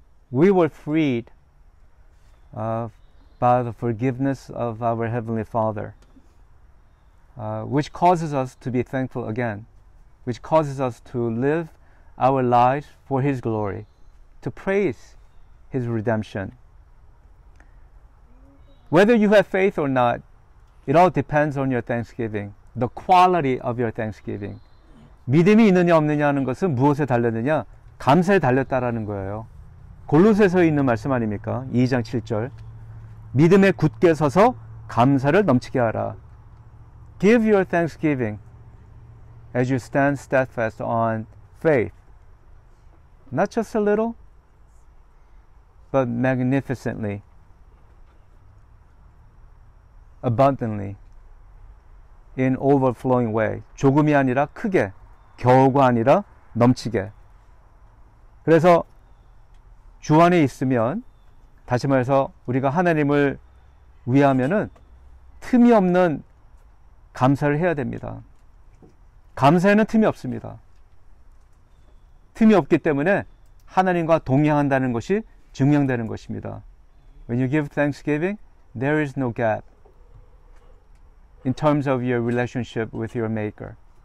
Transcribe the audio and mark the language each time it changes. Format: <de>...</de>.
<en>We were freed by the forgiveness of our Heavenly Father. Which causes us to be thankful again. which causes us to live our lives for His glory, to praise His redemption. Whether you have faith or not, it all depends on your thanksgiving, the quality of your thanksgiving.</en> <ko>믿음이 있느냐 없느냐 하는 것은 무엇에 달렸느냐? 감사에 달렸다라는 거예요. 골로새서 있는 말씀 아닙니까? 2장 7절. 믿음에 굳게 서서 감사를 넘치게 하라.</ko> <en>Give your thanksgiving as you stand steadfast on faith. Not just a little, but magnificently, abundantly, in overflowing way.</en> <ko>조금이 아니라 크게, 겨우가 아니라 넘치게. 그래서 주 안에 있으면, 다시 말해서 우리가 하나님을 위하면은 틈이 없는 감사를 해야 됩니다. 감사에는 틈이 없습니다. 틈이 없기 때문에 하나님과 동행한다는 것이 증명되는 것입니다.</ko> <en>When you give thanksgiving, there is no gap in terms of your relationship with your maker.</en>